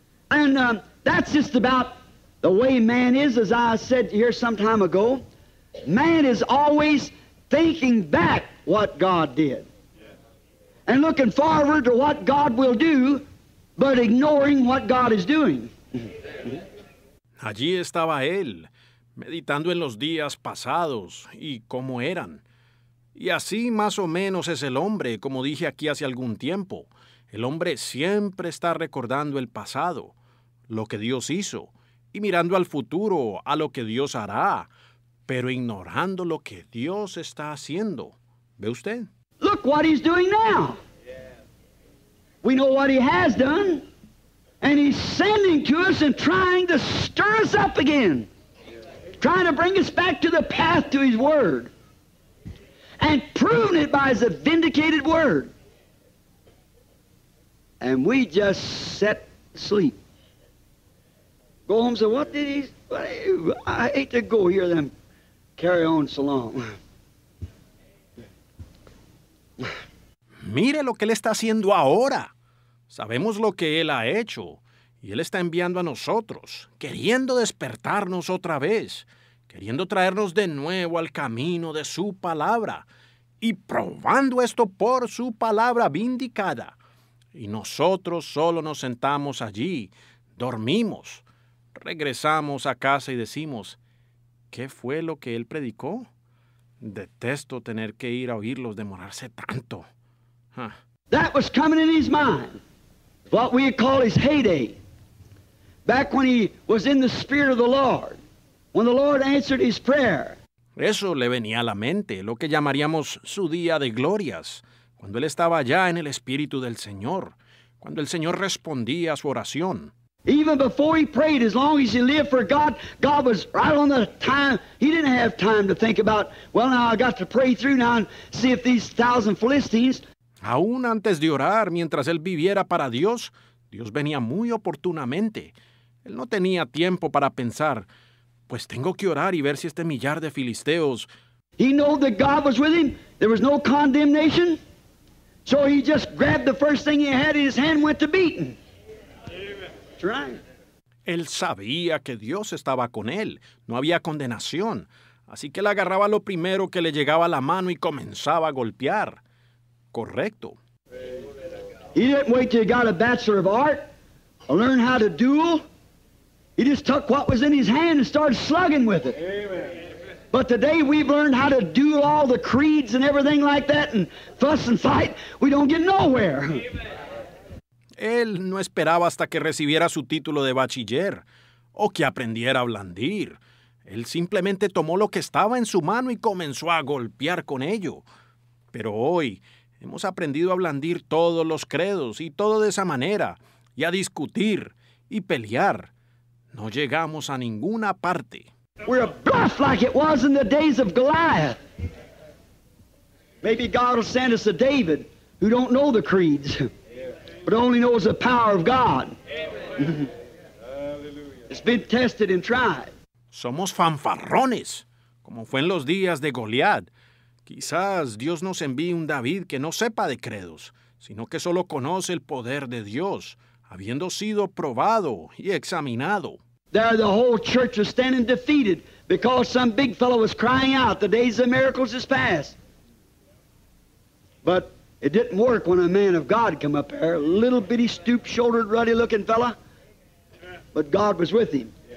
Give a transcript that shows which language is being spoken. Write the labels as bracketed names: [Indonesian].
[English] And that's just about the way man is, as I said here some time ago. Man is always thinking back what God did. And looking forward to what God will do, but ignoring what God is doing. [Spanish] Allí estaba él, meditando en los días pasados y cómo eran. Y así más o menos es el hombre, como dije aquí hace algún tiempo. El hombre siempre está recordando el pasado, lo que Dios hizo, y mirando al futuro, a lo que Dios hará, pero ignorando lo que Dios está haciendo. ¿Ve usted? [English] Look what he's doing now. We know what he has done, and he's sending to us and trying to stir us up again, trying to bring us back to the path to his word. And proven it by his vindicated word. And we just set sleep. Go home and say, what did he say? I hate to go hear them carry on so long. [Spanish] Mire lo que él está haciendo ahora. Sabemos lo que él ha hecho. Y él está enviando a nosotros, queriendo despertarnos otra vez, queriendo traernos de nuevo al camino de su palabra. Y probando esto por su palabra vindicada. Y nosotros solo nos sentamos allí, dormimos, regresamos a casa y decimos, ¿qué fue lo que él predicó? Detesto tener que ir a oírlos demorarse tanto. [English] That was coming in his mind, what we call his heyday, back when he was in the spirit of the Lord, when the Lord answered his prayer. [Spanish] Eso le venía a la mente, lo que llamaríamos su día de glorias, cuando él estaba allá en el Espíritu del Señor, cuando el Señor respondía a su oración. [English] Even before he prayed, as long as he lived for God, God was right on the time. He didn't have time to think about, well, now I got to pray through now and see if these 1,000 Philistines. [Spanish] Aún antes de orar, mientras él viviera para Dios, Dios venía muy oportunamente. Él no tenía tiempo para pensar, pues tengo que orar y ver si este millar de filisteos. [English] He knew that God was with him. There was no condemnation. So he just grabbed the first thing he had in his hand and went to beating. That's right. [Spanish] Él sabía que Dios estaba con él. No había condenación. Así que él agarraba lo primero que le llegaba a la mano y comenzaba a golpear. Correcto. [English] He didn't wait till he got a bachelor of art or learn how to duel. He just took what was in his hand and started slugging with it. But today we've learned how to duel all the creeds and everything like that and fuss and fight. We don't get nowhere. [Spanish] Él no esperaba hasta que recibiera su título de bachiller o que aprendiera a blandir. Él simplemente tomó lo que estaba en su mano y comenzó a golpear con ello. Pero hoy hemos aprendido a blandir todos los credos y todo de esa manera, y a discutir y pelear. No llegamos a ninguna parte. [English] We're a bluff like it was in the days of Goliath. Maybe God will send us a David who don't know the creeds, but only knows the power of God. It's been tested and tried. [Spanish] Somos fanfarrones, como fue en los días de Goliat. Quizás Dios nos envíe un David que no sepa de credos, sino que solo conoce el poder de Dios, habiendo sido probado y examinado. [English] There the whole church was standing defeated because some big fellow was crying out, the days of miracles is past. But it didn't work when a man of God came up there, a little bitty, stoop-shouldered, ruddy-looking fella. But God was with him.